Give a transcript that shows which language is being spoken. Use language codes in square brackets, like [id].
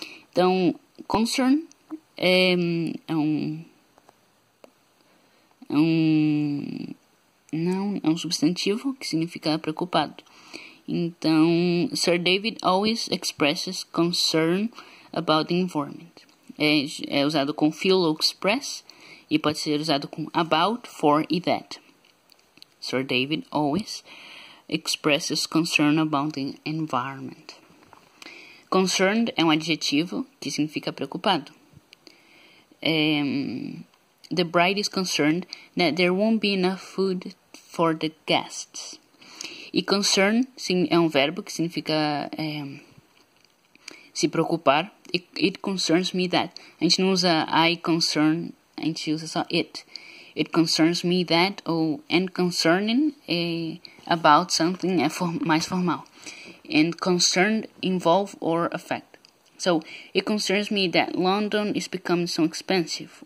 [pt] Então, concern é um substantivo que significa preocupado. [en] Então, Sir David always expresses concern about the environment. [pt] É usado com feel ou express e pode ser usado com about, for e that. [en] Sir David always expresses concern about the environment. [pt] Concerned é um adjetivo que significa preocupado. [en] The bride is concerned that there won't be enough food for the guests. [pt] E concern sim, é um verbo que significa se preocupar. [en] It concerns me that. [pt] A gente não usa I concern, a gente usa só it. [en] It concerns me that, ou and concerning about something [pt] mais formal. [en] And concerned involve or affect. So, it concerns me that London is becoming so expensive.